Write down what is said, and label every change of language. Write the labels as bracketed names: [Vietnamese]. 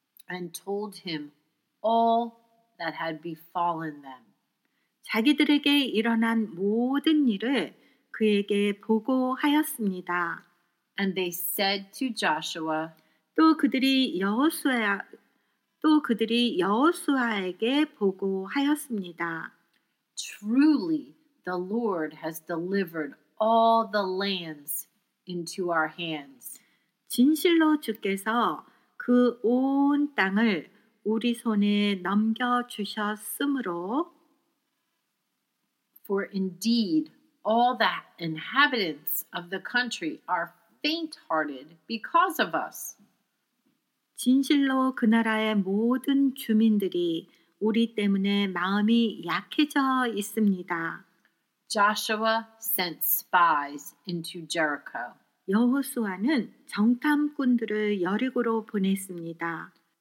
[English] and told him all that had befallen them. [Korean] 자기들에게 일어난 모든 일을 그에게 보고하였습니다. [English] And they said to Joshua, [Korean] 또 그들이 여호수아에게 보고하였습니다. [English] Truly, the Lord has delivered all the lands into our hands. [Korean] 진실로 주께서 그 온 땅을 우리 손에 넘겨주셨으므로 [English] For indeed, all the inhabitants of the country are faint-hearted because of us. [Korean] 진실로 그 나라의 모든 주민들이 우리 때문에 마음이 약해져 있습니다. [English] Joshua sent spies into Jericho. [Korean] 여호수아는 정탐꾼들을 여리고로 보냈습니다.